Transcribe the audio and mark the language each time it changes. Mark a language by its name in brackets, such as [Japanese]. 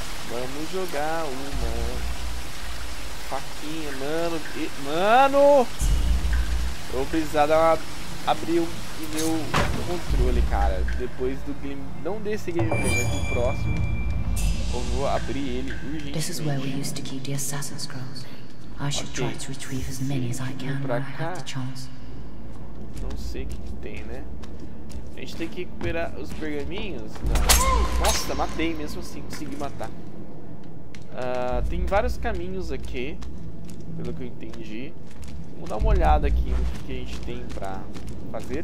[Portuguese] Vamos jogar uma faquinha, mano. E, mano! Eu vou precisar dar uma, abrir o meu controle, cara. Depois do game. Não desse gameplay, mas do próximo. Eu vou abrir ele urgentemente. [English] This is where we used to keep the Assassin's Scrolls. I should try to retrieve as many as I can when I have the chance. [Portuguese] Não sei o que tem, né? A gente tem que recuperar os pergaminhos. Nossa, matei mesmo assim, consegui matar. Tem vários caminhos aqui, pelo que eu entendi. Vamos dar uma olhada aqui no que a gente tem pra fazer.